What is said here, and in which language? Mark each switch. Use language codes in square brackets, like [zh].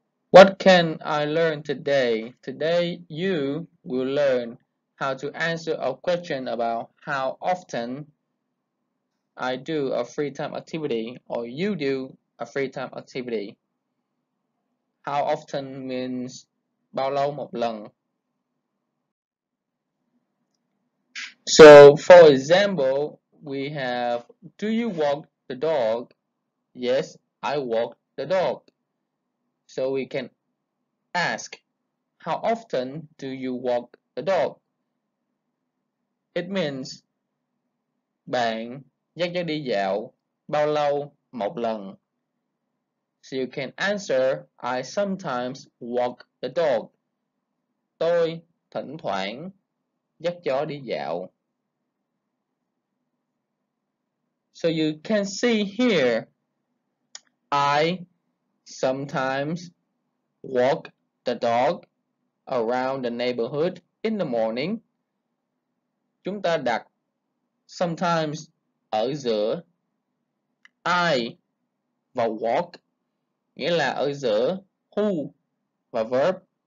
[en] What can I learn today? Today, you will learn how to answer a question about how often I do a free time activity or you do a free time activity. How often means [vi] bao lâu một lần. [en] So for example, we have, do you walk the dog? Yes, I walk the dog. So we can ask, how often do you walk the dog? It means [vi] bạn dắt dắt đi dạo bao lâu một lần. [en] So you can answer, I sometimes walk the dog. [vi] Tôi thỉnh thoảng dắt chó đi dạo. [en] So you can see here, I sometimes walk the dog around the neighborhood in the morning. [vi] Chúng ta đặt sometimes ở giữa I và walk, nghĩa là ở giữa who và verb.